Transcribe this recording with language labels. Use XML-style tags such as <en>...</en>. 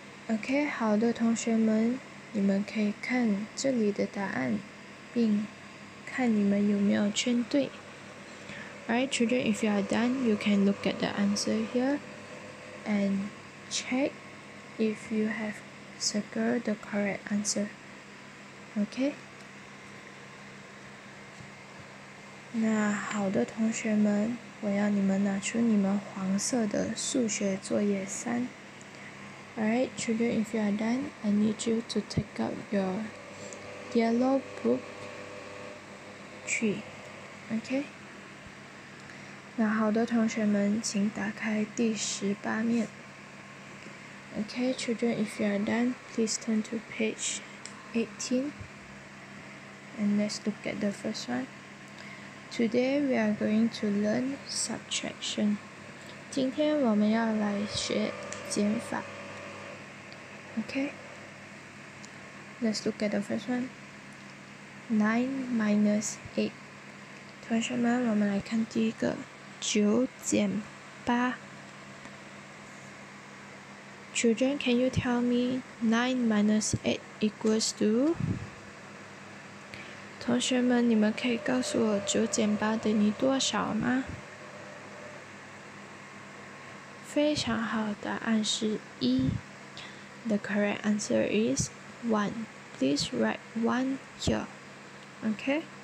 <zh>Okay, 好的同学们，你们可以看这里的答案，并看你们有没有圈对。</zh> <en>Alright, children, if you are done, you can look at the answer here and check if you have circled the correct answer. Okay?</en> <zh>那好的同学们，我要你们拿出你们黄色的数学作业三。</zh> <en>Alright, children, if you are done, I need you to take out your yellow book 3. Okay?</en> <zh>那好的同学们，请打开第18面。</zh> <en>Okay, children, if you are done, please turn to page 18. And let's look at the first one. Today, we are going to learn subtraction.</en> <zh>今天我们要来学减法。Okay?</zh> <en>Let's look at the first one. 9 minus 8.</en> <zh>同学们，我们来看第一个。九减八。</zh> <en>Children, can you tell me 9 minus 8 equals to?</en> <zh>同学们，你们可以告诉我九减八等于多少吗？非常好，答案是一。</zh> <en>The correct answer is 1. Please write 1 here. Okay?</en>